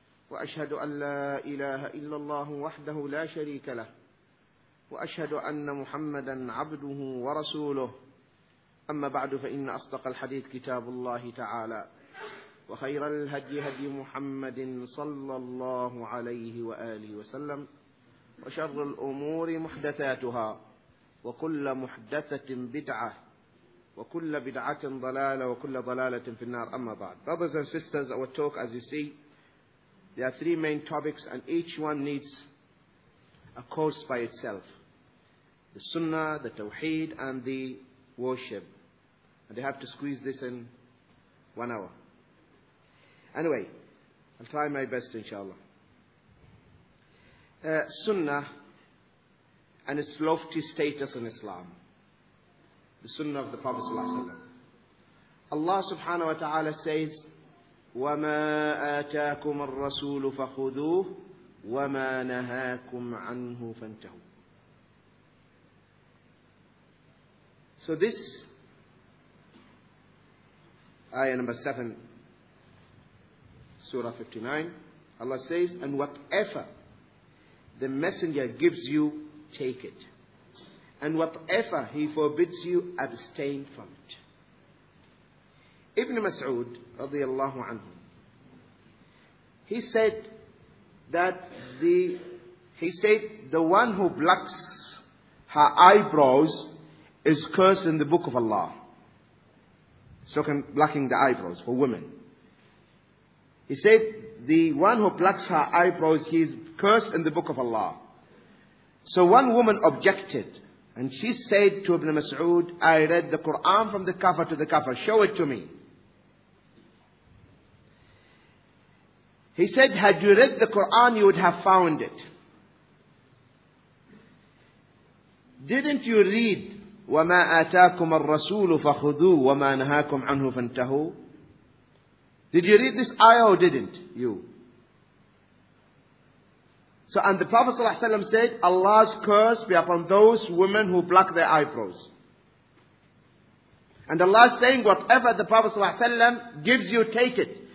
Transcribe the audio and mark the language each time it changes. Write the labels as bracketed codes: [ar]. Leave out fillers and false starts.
[ar] وأشهد أن لا إله إلا الله وحده لا شريك له وأشهد أن محمدا عبده ورسوله أما بعد فإن أصدق الحديث كتاب الله تعالى وخير الهدي هدي محمد صلى الله عليه وآله وسلم وشر الأمور محدثاتها وكل محدثة بدعة وكل بدعة ضلالة وكل ضلالة في النار أما بعد. [en] Brothers and sisters, our talk, as you see, there are three main topics and each one needs a course by itself. The Sunnah, the Tawheed and the Worship. And they have to squeeze this in 1 hour. Anyway, I'll try my best inshallah. Sunnah and its lofty status in Islam. The Sunnah of the Prophet sallallahu alaihi wasallam. [ar] Allah subhanahu wa ta'ala says, وَمَا آتَاكُمَ الرَّسُولُ فَخُذُوهُ وَمَا نَهَاكُمْ عَنْهُ فَانْتَهُوا. [en] So this ayah number 7, Surah 59, Allah says, and whatever the messenger gives you, take it. And whatever he forbids you, abstain from it. Ibn Mas'ud, radiallahu anhu, he said that the one who blocks her eyebrows is cursed in the book of Allah. So blocking the eyebrows for women. He said, the one who blocks her eyebrows, he is cursed in the book of Allah. So one woman objected, and she said to Ibn Mas'ud, I read the Quran from the Kafa to the Kafa. Show it to me. He said, had you read the Quran, you would have found it. Didn't you read, [ar] وَمَا آتَاكُمَ الرَّسُولُ فَخُذُوهُ وَمَا نَهَاكُمْ عَنْهُ فَانْتَهُوا? [en] Did you read this ayah or didn't you? So, and the Prophet ﷺ said, Allah's curse be upon those women who block their eyebrows. And Allah is saying, whatever the Prophet ﷺ gives you, take it.